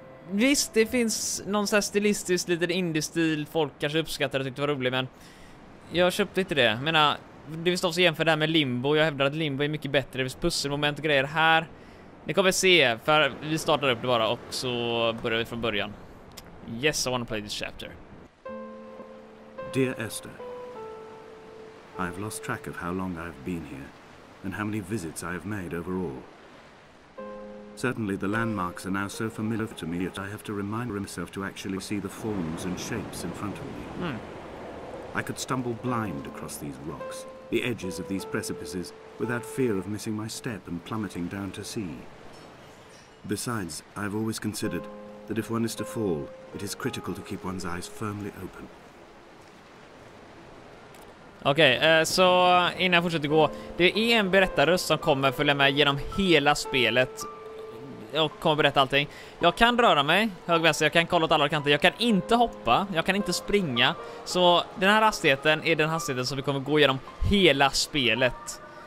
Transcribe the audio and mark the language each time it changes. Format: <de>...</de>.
<sv>Visst, det finns någon sån här stilistisk liten indie-stil. Folk kanske uppskattade och tyckte det var roligt, men jag köpte inte det. Jag menar, det finns också jämfört det här med Limbo. Jag hävdar att Limbo är mycket bättre. Det finns pusselmoment och grejer här. Ni kommer se, för vi startar upp det bara. Och så börjar vi från början.</sv> <en>Yes, I want to play this chapter. Dear Esther, I have lost track of how long I have been here and how many visits I have made overall. Certainly the landmarks are now so familiar to me that I have to remind myself to actually see the forms and shapes in front of me. Mm. I could stumble blind across these rocks, the edges of these precipices, without fear of missing my step and plummeting down to sea. Besides, I have always considered that if one is to fall, it is critical to keep one's eyes firmly open.</en> <sv>Okej, så innan jag fortsätter gå. Det är en berättarröst som kommer följa med genom hela spelet. Och kommer berätta allting. Jag kan röra mig, höger, vänster, jag kan kolla åt alla kanter. Jag kan inte hoppa, jag kan inte springa. Så den här hastigheten är den hastigheten som vi kommer gå genom hela spelet.</sv>